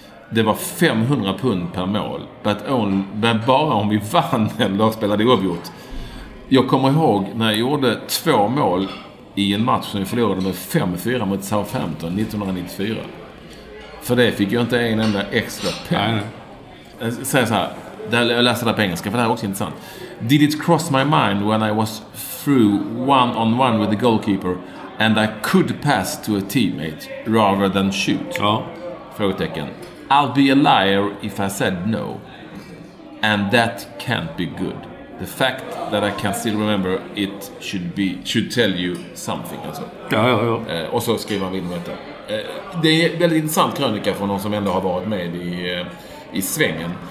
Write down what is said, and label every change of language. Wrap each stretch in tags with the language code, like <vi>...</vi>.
<sv>Det var 500 pund per mål. Men bara om vi vann en lagspelare, det är uppgjort. Jag kommer ihåg när jag gjorde två mål i en match som vi förlorade med 5-4 mot Southampton 1994. För det fick jag inte en enda extra peng. Säg så här, jag läser det på engelska, för det här är också intressant.</sv> <en>Did it cross my mind when I was through one on one with the goalkeeper and I could pass to a teammate rather than shoot?</en> <sv>Ja. Frågetecken.</sv> <en>I'll be a liar if I said no. And that can't be good. The fact that I can still remember it should tell you something.</en> <sv>Alltså. Ja, ja, ja. Och så skriver han vidare. Det är en väldigt intressant krönika från någon som ändå har varit med i svängen.</sv>